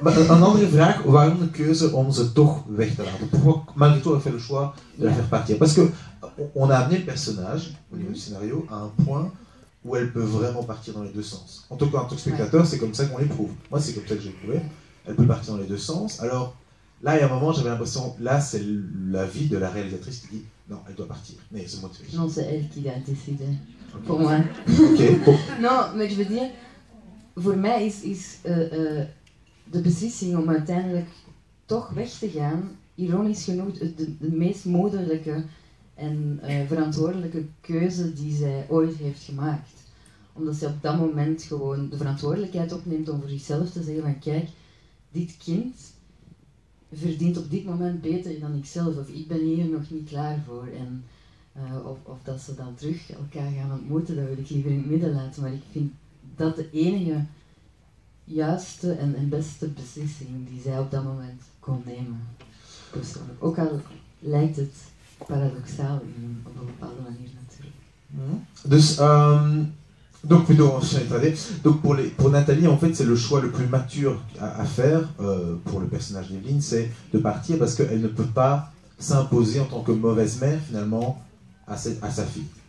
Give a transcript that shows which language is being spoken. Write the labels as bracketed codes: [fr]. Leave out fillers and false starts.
[nl] Maar een andere vraag, waarom de keuze om ze toch weg te laten? [fr] Pourquoi, malgré tout, elle fait le choix de la faire partir? Parce que on a amené le personnage, au niveau du scénario, à un point où elle peut vraiment partir dans les deux sens. En tout cas, en tant que spectateur, c'est comme ça qu'on l'éprouve. Moi, c'est comme ça que j'ai éprouvé. Elle peut partir dans les deux sens. Alors, là, il y a un moment, j'avais l'impression, là, c'est la vie de la réalisatrice qui dit. Non, elle doit partir. Mais c'est moi qui fais. Non, c'est elle qui a décidé. Okay. Pour moi. Ok. Non, mais je veux dire, [nl] voor mij is de beslissing om uiteindelijk toch weg te gaan, ironisch genoeg, de meest moederlijke en verantwoordelijke keuze die zij ooit heeft gemaakt. Omdat zij op dat moment gewoon de verantwoordelijkheid opneemt om voor zichzelf te zeggen van kijk, dit kind verdient op dit moment beter dan ikzelf, of ik ben hier nog niet klaar voor. En of dat ze dan terug elkaar gaan ontmoeten, dat wil ik liever in het midden laten. Maar ik vind dat de enige juiste en beste beslissing die zij op dat moment kon nemen. Persoonlijk. Ook al lijkt het paradoxaal op een bepaalde manier natuurlijk. Hmm. Dus, [fr] donc plutôt enchaîner. Donc pour Nathalie, en fait, c'est le choix le plus mature à faire pour le personnage d'Evelyne, c'est de partir parce qu'elle ne peut pas s'imposer en tant que mauvaise mère finalement à sa fille.